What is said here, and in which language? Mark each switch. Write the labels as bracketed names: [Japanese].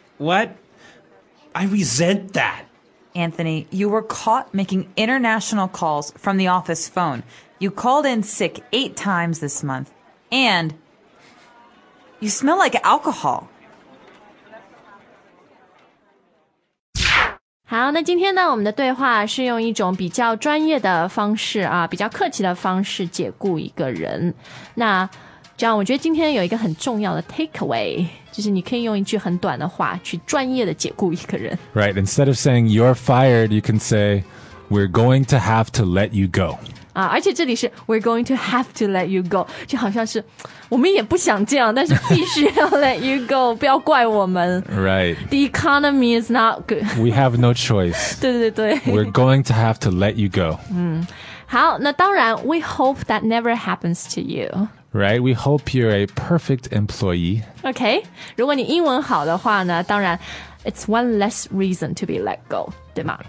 [English] What? I resent that. Anthony, you were caught making international calls from the office phone. You called in sick 8 times this month, and you smell like alcohol. [Chinese] 好，那今天呢，我们的对话是用一种比较专业的方式啊，比较客气的方式解雇一个人。那这样，我觉得今天有一个很重要的 takeaway， 就是你可以用一句很短的话去专业的解雇一个人。 [English] Right, instead of saying you're fired, you can say we're going to have to let you go. [Chinese] 啊，而且这里是 [English] we're going to have to let you go， [Chinese] 就好像是我们也不想这样，但是必须要 [English] let you go， [Chinese] 不要怪我们。 [English] Right. The economy is not good. We have no choice. [Chinese] 对对对。 [English] We're going to have to let you go. [Chinese] 嗯，好，那当然 [English] ，we hope that never happens to you. Right, we hope you're a perfect employee. Okay, [Chinese] 如果你英文好的话呢，当然 [English] it's one less reason to be let go, [Chinese] 对吗？